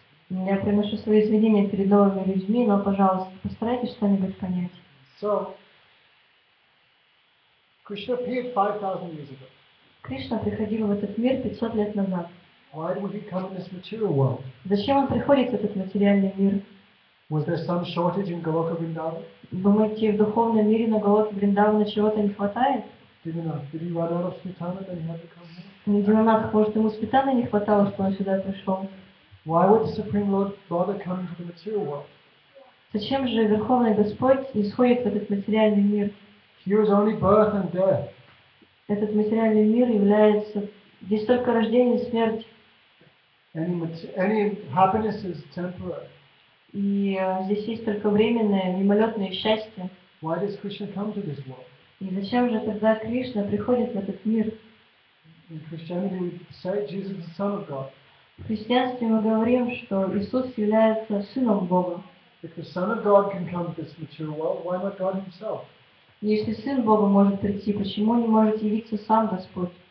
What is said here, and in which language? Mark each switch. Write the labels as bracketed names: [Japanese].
[Russian] Я приношу свои извинения перед новыми людьми, но, пожалуйста, постарайтесь что-нибудь понять. [English] Krishna appeared 5,000 years ago. [Russian] Кришна приходил в этот мир 500 лет назад. [English] Why would he come in this material world? [Russian] Зачем он приходит в этот материальный мир? [English] Was there some shortage in Goloka Vrindavan? [Russian] Думаете, в духовном мире на Голоке Вриндавана чего-то не хватает? [English] Did he run out of smetana that he had to come here? [Russian] Не Диманат, может, ему сметаны не хватало, что он сюда пришел? [English] Why would the Supreme Lord bother coming to the material world? [Russian] Зачем же Верховный Господь исходит в этот материальный мир? [English] Here is only birth and death. [Russian] Этот материальный мир является здесь только рождение и смерть. [English] Any happiness is temporary. [Russian] И здесь есть только временное, мимолетное счастье. [English] Why does Krishna come to this world? [Russian] И зачем же тогда Кришна приходит в этот мир? [English] In Christianity we say Jesus is the Son of God. [Russian] В христианстве мы говорим, что Иисус является сыном Бога. [English] If the Son of God can come to this material world, why not God Himself? [Russian] Если Сын Бога может прийти, почему не может явиться Сам Господь?